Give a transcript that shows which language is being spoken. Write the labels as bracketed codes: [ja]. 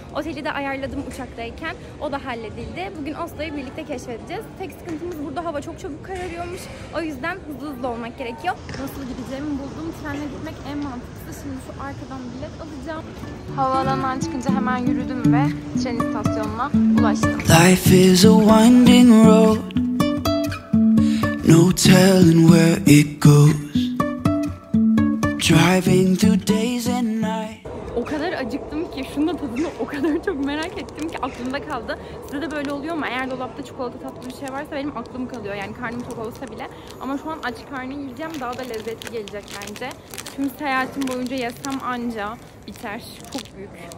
[tr] Oteli de ayarladım uçaktayken. O da halledildi. Bugün Oslo'yu birlikte keşfedeceğiz. Tek sıkıntımız burada hava çok çabuk kararıyormuş. O yüzden hızlı hızlı olmak gerekiyor. Nasıl gideceğimi buldum. Trenle gitmek en mantıklı. Şimdi şu arkadan bilet alacağım. Havaalanından çıkınca hemen yürüdüm ve tren istasyonuna ulaştım. [en] Life is a winding road, no telling where it goes. Driving through days and night. [tr] O kadar acıktım ki, şunun da tadını o kadar çok merak ettim ki aklımda kaldı. Size de böyle oluyor mu? Eğer dolapta çikolata tatlı bir şey varsa benim aklım kalıyor. Yani karnım tok olsa bile. Ama şu an aç karnı yiyeceğim, daha da lezzetli gelecek bence. Tüm seyahatim boyunca yesem anca biter. Çok büyük.